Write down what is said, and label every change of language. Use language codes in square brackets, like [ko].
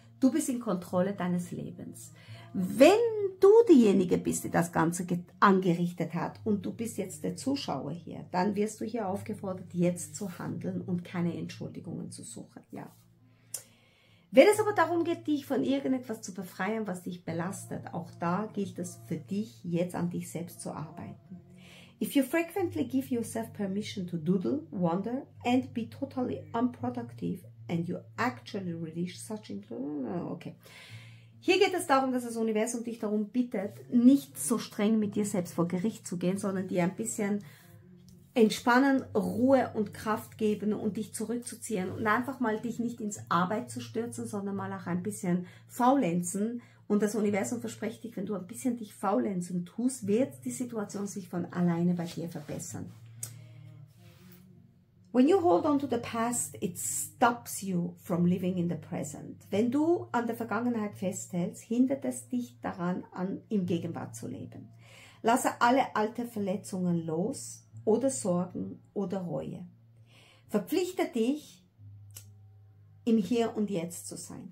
[de] Du bist in Kontrolle deines Lebens. Wenn du diejenige bist, die das Ganze angerichtet hat, und du bist jetzt der Zuschauer hier, dann wirst du hier aufgefordert, jetzt zu handeln und keine Entschuldigungen zu suchen. Ja. Wenn es aber darum geht, dich von irgendetwas zu befreien, was dich belastet, auch da gilt es für dich, jetzt an dich selbst zu arbeiten. [en] If you frequently give yourself permission to doodle, wander and be totally unproductive and you actually release such okay. [de] Hier geht es darum, dass das Universum dich darum bittet, nicht so streng mit dir selbst vor Gericht zu gehen, sondern dir ein bisschen entspannen, Ruhe und Kraft geben und dich zurückzuziehen und einfach mal dich nicht ins Arbeit zu stürzen, sondern mal auch ein bisschen faulenzen. Und das Universum verspricht dich, wenn du ein bisschen dich faulenzen tust, wird die Situation sich von alleine bei dir verbessern. [en] When you hold on to the past, it stops you from living in the present. [de] Wenn du an der Vergangenheit festhältst, hindert es dich daran, im Gegenwart zu leben. Lasse alle alten Verletzungen los oder Sorgen oder Reue. Verpflichte dich, im Hier und Jetzt zu sein.